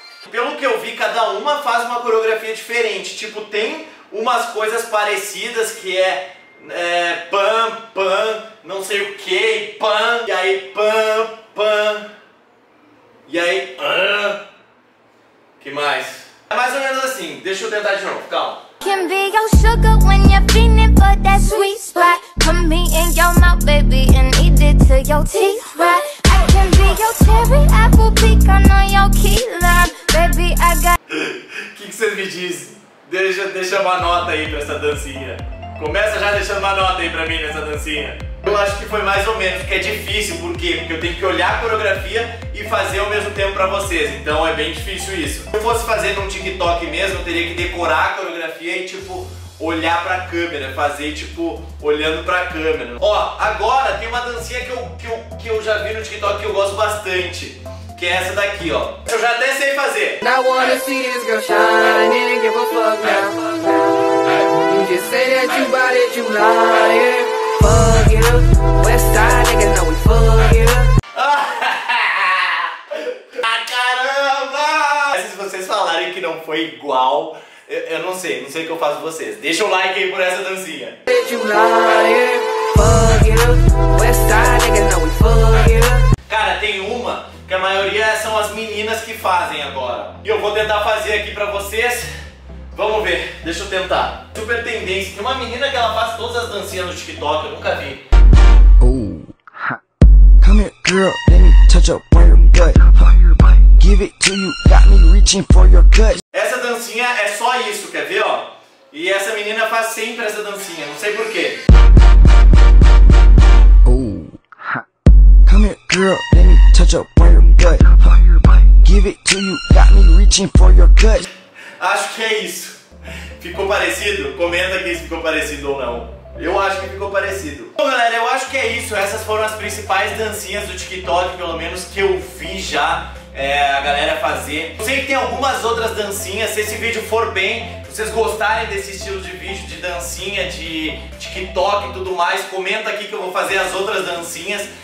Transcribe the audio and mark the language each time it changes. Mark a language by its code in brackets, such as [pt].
[pt] Pelo que eu vi, cada uma faz uma coreografia diferente. Tipo, tem umas coisas parecidas que é pam, pam, não sei o que, pam, e aí pam, pam, e aí que mais? É mais ou menos assim, deixa eu tentar de novo, calma. [en] Can be your sugar when you're feeling for that sweet spot. Put me in your mouth, baby, and eat it till your teeth rot. I can be your cherry apple pecan on your key lime. Baby, I got... [pt] que vocês me dizem? Deixa uma nota aí pra essa dancinha. Começa já deixando uma nota aí pra mim nessa dancinha. Eu acho que foi mais ou menos, porque é difícil, por quê? Porque eu tenho que olhar a coreografia e fazer ao mesmo tempo pra vocês. Então é bem difícil isso. Se eu fosse fazer num TikTok mesmo, eu teria que decorar a coreografia e tipo olhar pra câmera, fazer tipo olhando pra câmera. Ó, agora tem uma dancinha que eu já vi no TikTok que eu gosto bastante, que é essa daqui, ó. Eu já até sei fazer. [en] Now I wanna see this girl shine, and give a fuck now. You just say that you bought it, you lying. Fuck it up, West Side niggas know we fuck it up. [pt] Ah, caramba! Se vocês falarem que não foi igual, eu não sei o que eu faço com vocês. Deixa o like aí por essa dancinha. [en] Did you lie, fuck it up, West Side niggas know we fuck it up. [pt] Cara, tem uma que a maioria são as meninas que fazem agora. E eu vou tentar fazer aqui pra vocês. Vamos ver, deixa eu tentar. Super tendência. Tem uma menina que ela faz todas as dancinhas no TikTok, eu nunca vi. [en] Oh, ha. Come here, girl, let me touch up on your butt. Give it to you, got me reaching for your cut. [pt] Essa dancinha é só isso, quer ver, ó? E essa menina faz sempre essa dancinha, não sei porquê. [en] Come here, girl, let me touch up on your gut. Give it to you, got me reaching for your cut. [pt] Acho que é isso. Ficou parecido? Comenta aqui se ficou parecido ou não. Eu acho que ficou parecido. Bom, galera, eu acho que é isso. Essas foram as principais dancinhas do TikTok, pelo menos que eu vi já a galera fazer. Eu sei que tem algumas outras dancinhas. Se esse vídeo for bem, vocês gostarem desse estilo de vídeo, de dancinha, de TikTok e tudo mais, comenta aqui que eu vou fazer as outras dancinhas.